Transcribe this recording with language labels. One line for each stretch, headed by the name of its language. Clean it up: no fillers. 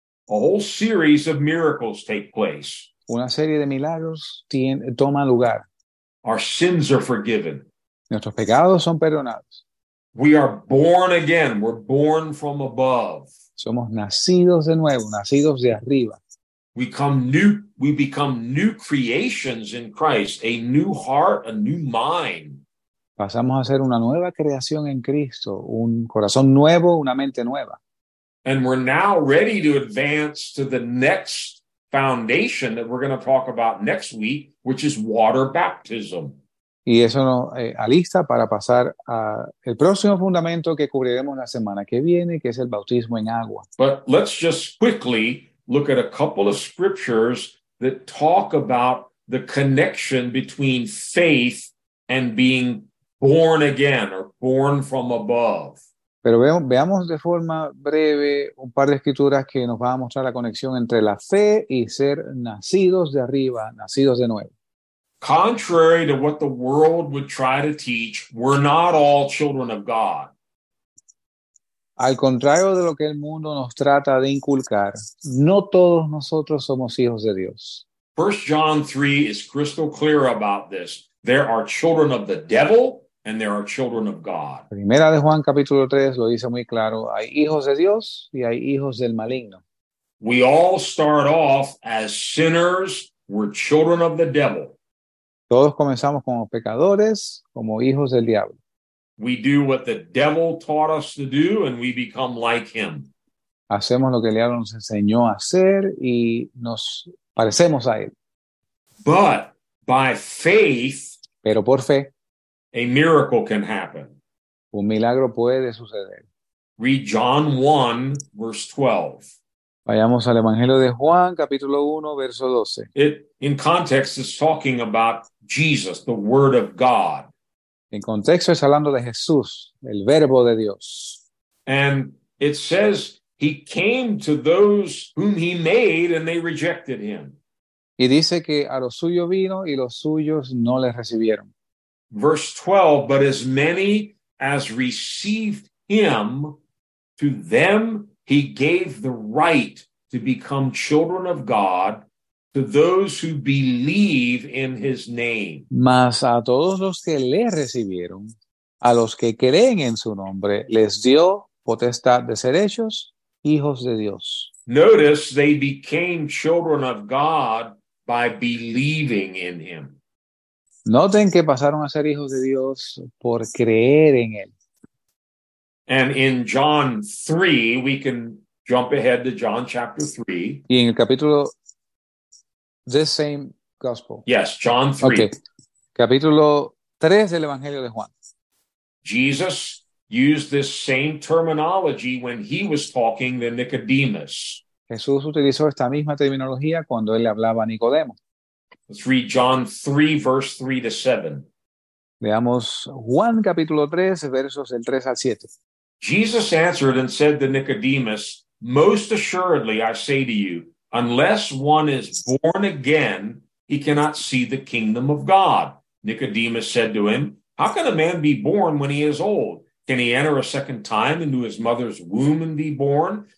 English: a whole series of miracles take place.
Spanish: Una serie de milagros toma lugar.
English: Our sins are forgiven.
Spanish: Nuestros pecados son perdonados.
English: We are born again. We're born from above.
Spanish: Somos nacidos de nuevo, nacidos de arriba.
English: We become new creations in Christ, a new heart, a new mind.
Spanish: Pasamos a ser una nueva creación en Cristo, un corazón nuevo, una mente nueva.
English: And we're now ready to advance to the next foundation that we're going to talk about next week, which is water baptism.
Spanish: Y eso nos alista para pasar a el próximo fundamento que cubriremos la semana que viene, que es el bautismo en agua.
English: But let's just quickly look at a couple of scriptures that talk about the connection between faith and being born again or born from above.
Spanish: Pero veamos de forma breve un par de escrituras que nos va a mostrar la conexión entre la fe y ser nacidos de arriba, nacidos de nuevo.
English: Contrary to what the world would try to teach, we're not all children of God.
Spanish: Al contrario de lo que el mundo nos trata de inculcar, no todos nosotros somos hijos de Dios.
English: 1 John 3 is crystal clear about this. There are children of the devil. And there are children of God.
Spanish: Primera de Juan capítulo 3 lo dice muy claro. Hay hijos de Dios y hay hijos del maligno.
English: We all start off as sinners. We're children of the devil.
Spanish: Todos comenzamos como pecadores, como hijos del diablo.
English: We do what the devil taught us to do and we become like him.
Spanish: Hacemos lo que el diablo nos enseñó a hacer y nos parecemos a él.
English: But by faith.
Spanish: Pero por fe.
English: A miracle can happen.
Spanish: Un milagro puede suceder.
English: Read John 1, verse 12.
Spanish: Vayamos al Evangelio de Juan, capítulo 1, verso 12.
English: It, in context, is talking about Jesus, the Word of God.
Spanish: En contexto es hablando de Jesús, el verbo de Dios.
English: And it says he came to those whom he made and they rejected him.
Spanish: Y dice que a los suyos vino y los suyos no le recibieron.
English: Verse 12, but as many as received him, to them he gave the right to become children of God, to those who believe in his name.
Spanish: Mas a todos los que le recibieron, a los que creen en su nombre, les dio potestad de ser hechos hijos de Dios.
English: Notice they became children of God by believing in him.
Spanish: Noten que pasaron a ser hijos de Dios por creer en él.
English: And in John 3, we can jump ahead to John chapter 3.
Spanish: Y en el capítulo,
English: this same gospel. Yes, John 3. Okay.
Spanish: Capítulo 3 del Evangelio de Juan.
English: Jesus used this same terminology when he was talking to Nicodemus.
Spanish: Jesús utilizó esta misma terminología cuando él hablaba a Nicodemo.
English: Let's read John 3, verse 3 to 7.
Spanish: Leamos Juan capítulo 3, versos del 3 al 7.
English: Jesus answered and said to Nicodemus, most assuredly, I say to you, unless one is born again, he cannot see the kingdom of God. Nicodemus said to him, how can a man be born when he is old? Can he enter a second time into his mother's womb and be born?